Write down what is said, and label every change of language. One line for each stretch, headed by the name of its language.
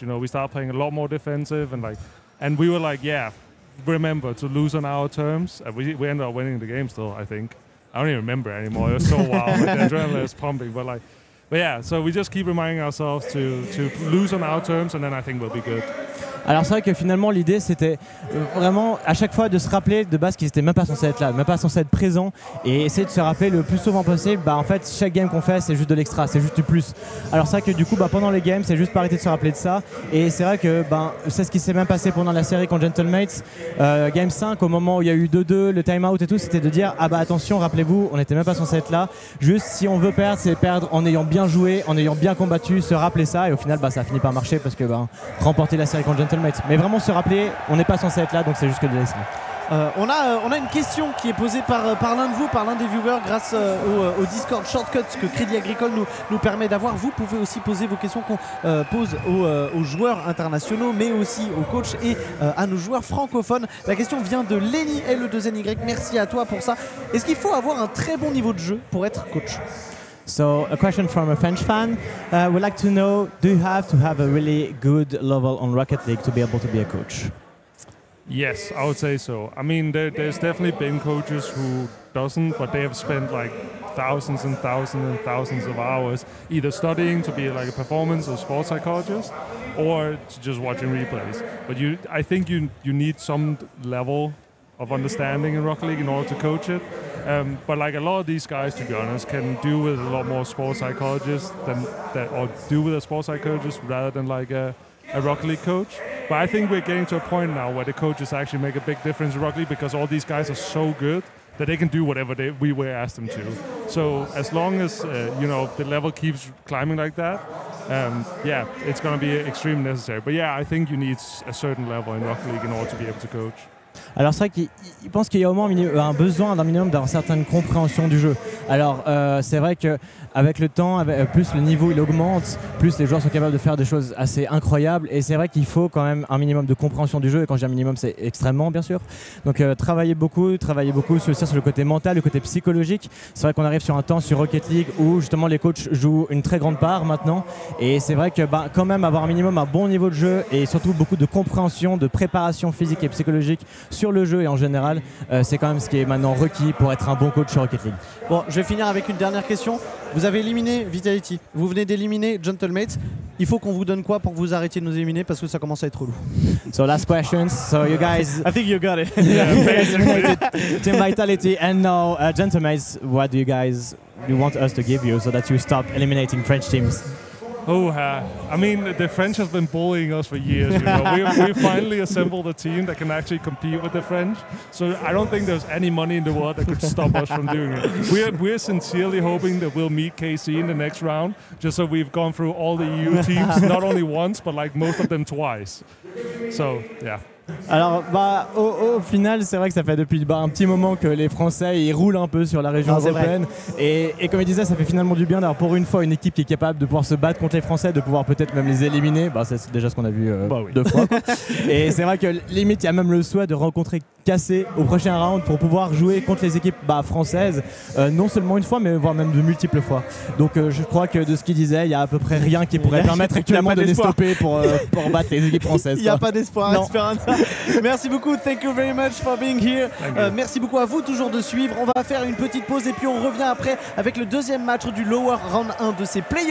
English: You know, we started playing a lot more defensive, and we were like, yeah, remember to lose on our terms. And we ended up winning the game still, I think. I don't even remember anymore. It was so wild. Like, the adrenaline is pumping. But yeah, so we just keep reminding ourselves to lose on our terms, and then I think we'll be good.
French: Alors c'est vrai que finalement l'idée c'était vraiment à chaque fois de se rappeler de base qu'ils étaient même pas censés être là, même pas censés être présents, et essayer de se rappeler le plus souvent possible, en fait chaque game qu'on fait c'est juste de l'extra, c'est juste du plus. Alors c'est vrai que du coup pendant les games c'est juste pas arrêter de se rappeler de ça, et c'est vrai que c'est ce qui s'est même passé pendant la série contre Gentlemates, game 5 au moment où il y a eu 2-2, le timeout et tout, c'était de dire attention, rappelez-vous, on était même pas censé être là, juste si on veut perdre c'est perdre en ayant bien joué, en ayant bien combattu, se rappeler ça, et au final ça a fini par marcher parce que remporter la série contre Gentlemates. Mais vraiment se rappeler, on n'est pas censé être là, donc c'est juste que de l'essayer. On a une question qui est posée par l'un de vous, par l'un des viewers, grâce au Discord Shortcuts que Crédit Agricole nous permet d'avoir. Vous pouvez aussi poser vos questions qu'on pose aux joueurs internationaux, mais aussi aux coachs et à nos joueurs francophones. La question vient de Lenny L2NY. Merci à toi pour ça. Est-ce qu'il faut avoir un très bon niveau de jeu pour être coach?
English: So a question from a French fan. We'd like to know, do you have to have a really good level on Rocket League to be able to be a coach? Yes, I would say so. I mean, there's definitely been coaches who doesn't, but they have spent like thousands and thousands and thousands of hours either studying to be like a performance or sports psychologist, or just watching replays. But I think you need some level of understanding in Rocket League in order to coach it. But like a lot of these guys, to be honest, can do with a lot more sports psychologists rather than like a Rocket League coach. But I think we're getting to a point now where the coaches actually make a big difference in Rocket League, because all these guys are so good that they can do whatever we ask them to. So as long as the level keeps climbing like that, it's going to be extremely necessary. But yeah, I think you need a certain level in Rocket League in order to be able to coach.
French: Alors c'est vrai qu'il pense qu'il y a au moins un besoin d'un minimum d'une certaine compréhension du jeu. Alors c'est vrai qu'avec le temps, plus le niveau il augmente, plus les joueurs sont capables de faire des choses assez incroyables, et c'est vrai qu'il faut quand même un minimum de compréhension du jeu, et quand je dis un minimum c'est extrêmement bien sûr. Donc travailler beaucoup sur le côté mental, le côté psychologique. C'est vrai qu'on arrive sur un temps sur Rocket League où justement les coachs jouent une très grande part maintenant, et c'est vrai que quand même avoir un minimum un bon niveau de jeu et surtout beaucoup de compréhension, de préparation physique et psychologique sur le jeu et en général, c'est quand même ce qui est maintenant requis pour être un bon coach sur Rocket League. Bon, je vais finir avec une dernière question. Vous avez éliminé Vitality, vous venez d'éliminer Gentlemates. Il faut qu'on vous donne quoi pour que vous arrêtiez de nous éliminer, parce que ça commence à être relou.
English: So last questions, so you guys... I think you got it. Team Vitality, and now Gentlemates, what do you guys want us to give you so that you stop eliminating French teams? The French have been bullying us for years. You know? We finally assembled a team that can actually compete with the French. So I don't think there's any money in the world that could stop us from doing it. We're sincerely hoping that we'll meet KC in the next round, just so we've gone through all the EU teams, not only once, but like most of them twice. So, yeah.
French: Alors au final, c'est vrai que ça fait depuis un petit moment que les Français ils roulent un peu sur la région européenne, et comme il disait, ça fait finalement du bien d'avoir pour une fois une équipe qui est capable de pouvoir se battre contre les Français, de pouvoir peut-être même les éliminer. C'est déjà ce qu'on a vu deux fois. Et c'est vrai que limite il y a même le souhait de rencontrer KC au prochain round pour pouvoir jouer contre les équipes françaises, non seulement une fois mais voire même de multiples fois. Donc je crois que de ce qu'il disait, il y a à peu près rien qui pourrait permettre actuellement de les stopper pour battre les équipes françaises. Il n'y a pas d'espoir, espérance. Merci beaucoup,
English: thank you very much for being here.
French: Merci beaucoup à vous toujours de suivre. On va faire une petite pause et puis on revient après avec le deuxième match du Lower Round 1 de ces playoffs.